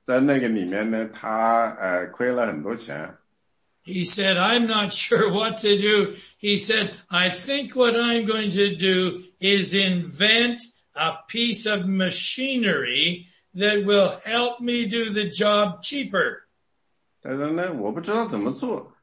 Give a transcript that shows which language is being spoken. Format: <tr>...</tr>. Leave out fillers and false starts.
<zh>所以呢，有一次他接了一个修路的合同，然后在那个里面呢，他亏了很多钱。</zh> <en>He said, I'm not sure what to do. He said, I think what I'm going to do is invent a piece of machinery that will help me do the job cheaper.</en> <zh>他说呢，我不知道怎么做。</zh>